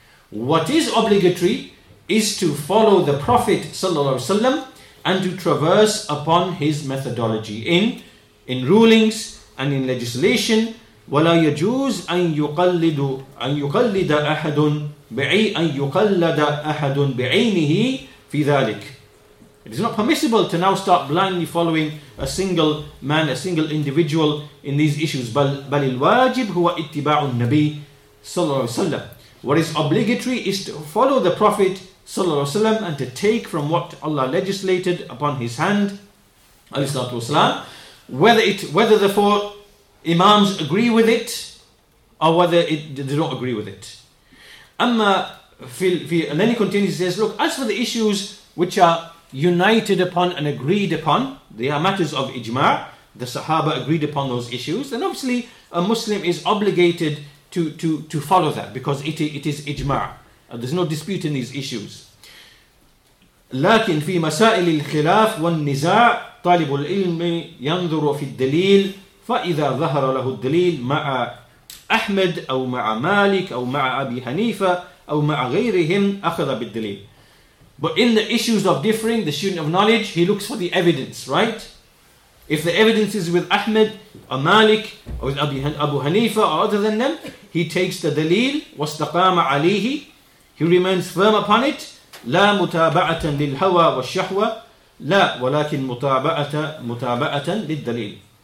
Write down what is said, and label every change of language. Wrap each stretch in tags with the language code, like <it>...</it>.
<en>What is obligatory is to follow the Prophet sallallahu alaihi wasallam and to traverse upon his methodology in rulings and in legislation.</en> <ar>وَلَا يَجُوزُ أَن يُقَلِّدَ أَحَدٌ بِعَيْنِهِ فِي ذَلِكَ.</ar> <en>It is not permissible to now start blindly following a single man, a single individual in these issues.</en> <ar>بل الواجب هو اتباع النبي صلى الله عليه وسلم.</ar> <en>What is obligatory is to follow the Prophet</en> <ar>صلى الله عليه وسلم</ar> <en>and to take from what Allah legislated upon his hand,</en> <ar>عليه الصلاة والسلام,</ar> <en>whether the four imams agree with it or whether they don't agree with it. Amma fi, and then he continues, he says, look, as for the issues which are united upon and agreed upon, they are matters of ijma', the Sahaba agreed upon those issues, then obviously a Muslim is obligated to follow that because it is ijma'. There's no dispute in these issues.</en> <ar>لكن في مسائل الخلاف والنزاع طالب العلم ينظر في الدليل فإذا ظهر له الدليل مع أحمد أو مع مالك أو مع أبي حنيفة أو مع غيرهم أخذ بالدليل.</ar> <en>But in the issues of differing, the student of knowledge, he looks for the evidence, right? If the evidence is with Ahmed or Malik or with Abu Hanifa or other than them, he takes the dalil,</en> <ar>وَاسْتَقَامَ عَلَيْهِ,</ar> <en>he remains firm upon it.</en> <ar>لَا مُتَابَعَةً لِلْهَوَى وَالشَّحْوَى. لَا وَلَكِنْ مُتَابَعَةً لِلدَّلِيلِ.</ar>